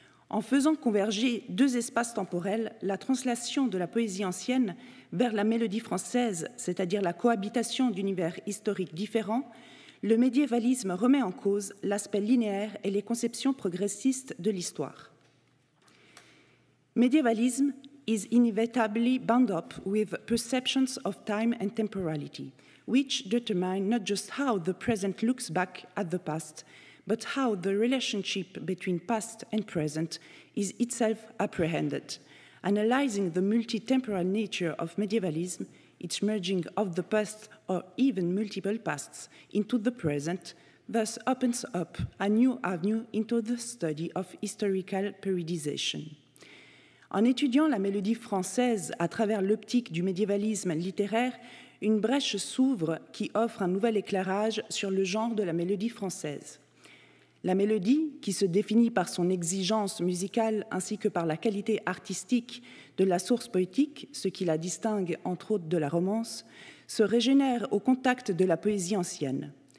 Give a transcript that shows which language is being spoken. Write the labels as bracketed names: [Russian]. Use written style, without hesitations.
[French] En faisant converger deux espaces temporels, la translation de la poésie ancienne vers la mélodie française, c'est-à-dire la cohabitation d'univers historiques différents, le médiévalisme remet en cause l'aspect linéaire et les conceptions progressistes de l'histoire. [English] Médiévalisme is inevitably bound up with perceptions of time and temporality, which determine not just how the present looks back at the past, but how the relationship between past and present is itself apprehended. Analyzing the multi-temporal nature of medievalism, its merging of the past or even multiple pasts into the present, thus opens up a new avenue into the study of historical periodization. [French] En étudiant la mélodie française à travers l'optique du médiévalisme littéraire, une brèche s'ouvre qui offre un nouvel éclairage sur le genre de la mélodie française. La mélodie, qui se définit par son exigence musicale ainsi que par la qualité artistique de la source poétique, ce qui la distingue entre autres de la romance, se régénère au contact de la poésie ancienne.